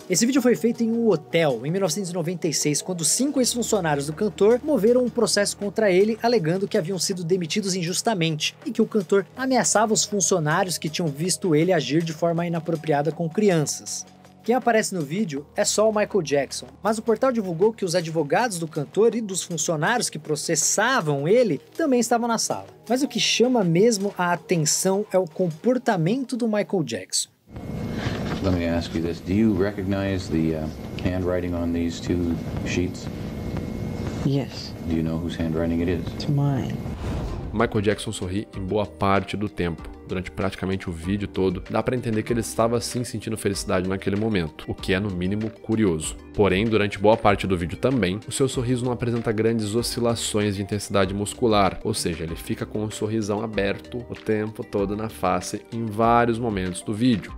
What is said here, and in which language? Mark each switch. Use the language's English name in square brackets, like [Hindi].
[Portuguese] Esse vídeo foi feito em um hotel, em 1996, quando 5 ex-funcionários do cantor moveram um processo contra ele, alegando que haviam sido demitidos injustamente, e que o cantor ameaçava os funcionários que tinham visto ele agir de forma inapropriada com crianças. Quem aparece no vídeo é só o Michael Jackson, mas o portal divulgou que os advogados do cantor e dos funcionários que processavam ele também estavam na sala. Mas o que chama mesmo a atenção é o comportamento do Michael Jackson. [English] Let me ask you this. Do you recognize the handwriting on these two sheets? Yes. Do you know whose handwriting it is? It's mine. [Portuguese] Michael Jackson sorri em boa parte do tempo. Durante praticamente o vídeo todo, dá pra entender que ele estava sim sentindo felicidade naquele momento, o que é no mínimo curioso. Porém, durante boa parte do vídeo também, o seu sorriso não apresenta grandes oscilações de intensidade muscular, ou seja, ele fica com um sorrisão aberto o tempo todo na face em vários momentos do vídeo.